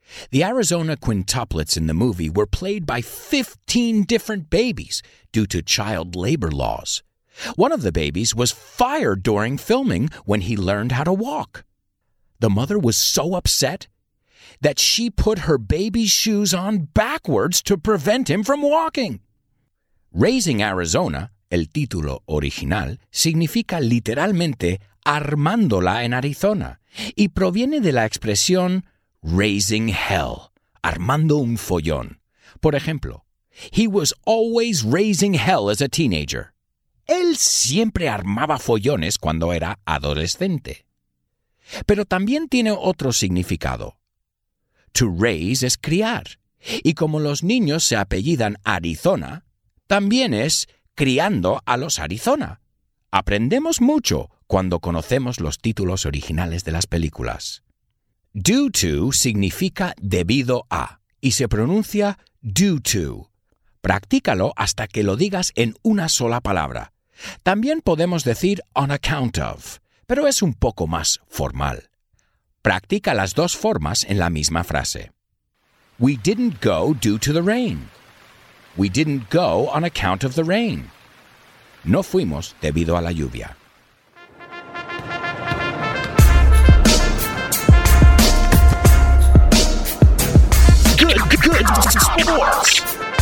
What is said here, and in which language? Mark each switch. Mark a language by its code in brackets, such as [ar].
[en] The Arizona quintuplets in the movie were played by 15 different babies due to child labor laws. One of the babies was fired during filming when he learned how to walk. The mother was so upset that she put her baby's shoes on backwards to prevent him from walking. [es] Raising Arizona, el título original, significa literalmente armándola en Arizona y proviene de la expresión raising hell, armando un follón. Por ejemplo, [en] he was always raising hell as a teenager. [es] Él siempre armaba follones cuando era adolescente. Pero también tiene otro significado. To raise es criar. Y como los niños se apellidan Arizona, también es criando a los Arizona. Aprendemos mucho cuando conocemos los títulos originales de las películas. Due to significa debido a y se pronuncia due to. Practícalo hasta que lo digas en una sola palabra. También podemos decir on account of, pero es un poco más formal. Practica las dos formas en la misma frase. [en] We didn't go due to the rain. We didn't go on account of the rain. [es] No fuimos debido a la lluvia. [en] Good sports.